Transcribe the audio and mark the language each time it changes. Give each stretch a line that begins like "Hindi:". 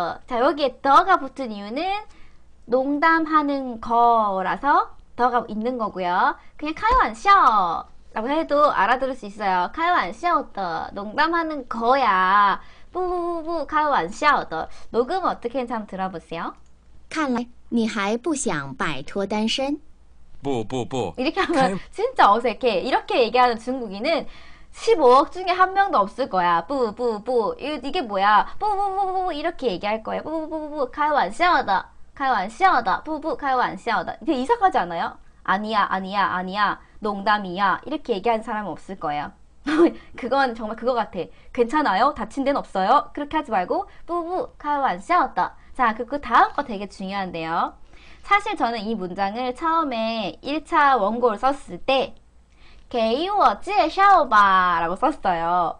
Korean: 자 여기에 더가 붙은 이유는 농담하는 거라서 더가 있는 거고요. 그냥 开玩笑라고 해도 알아들을 수 있어요.
Chinese: 开玩笑的
Korean: 농담하는 거야. 뿌뿌뿌뿌 开玩笑的. 녹음 어떻게 했는지 한번 들어보세요.
Chinese: 看来你还不想摆脱单身。不不不，
Korean: 이렇게 하면 진짜 어색해. 이렇게 얘기하는 중국인은 15억 중에 한 명도 없을 거야. 뿌뿌뿌 이게 뭐야? 뿌뿌뿌뿌 이렇게 얘기할 거예요. 뿌뿌뿌뿌
Chinese: 开玩笑的 开玩笑的
Korean: 뿌뿌 开玩笑的. 근데 이상하지 않아요? 아니야 아니야 아니야 농담이야 이렇게 얘기하는 사람은 없을 거예요. 그건 정말 그거 같아. 괜찮아요? 다친 데는 없어요? 그렇게 하지 말고 뿌뿌
Chinese: 开玩笑的.
Korean: 자, 그 다음 거 되게 중요한데요. 사실 저는 이 문장을 처음에 1차 원고를 썼을 때,
Chinese: 给我介绍吧
Korean: 라고 썼어요.